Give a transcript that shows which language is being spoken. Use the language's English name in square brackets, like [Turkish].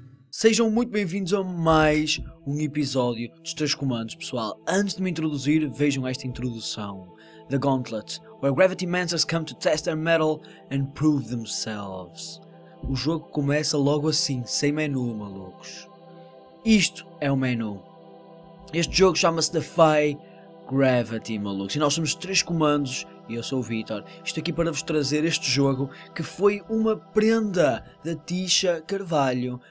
[Portuguese] Sejam muito bem-vindos a mais um episódio dos Três Comandos, pessoal. Antes de me introduzir, vejam esta introdução. [English] The Gauntlet, where Gravity Mancers come to test their metal and prove themselves. [Portuguese] O jogo começa logo assim, sem menu, malucos. Isto é o menu. Este jogo chama-se Defy Gravity, malucos. E nós somos Três Comandos, e eu sou o Vítor. Estou aqui para vos trazer este jogo, que foi uma prenda da Tisha Carvalho.